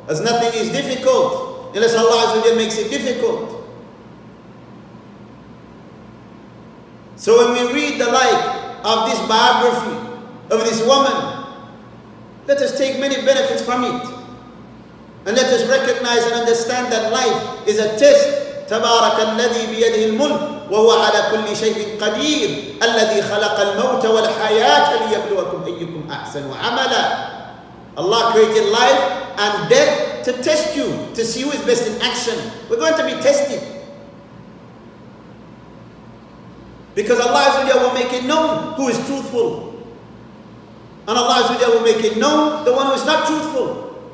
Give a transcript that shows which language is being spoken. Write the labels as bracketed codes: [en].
[en] As nothing is difficult unless Allah Azza wa Jal makes it difficult. So when we read the like of this biography of this woman, let us take many benefits from it. And let us recognize and understand that life is a test. [ar] تبارك الذي بيده الملك وهو على كل شيء قدير الذي خلق الموت والحياة ليبلوكم أيكم أحسن عملا. [en] Allah created life and death to test you, to see who is best in action. We're going to be tested. Because Allah will make it known who is truthful. And Allah will make it known the one who is not truthful.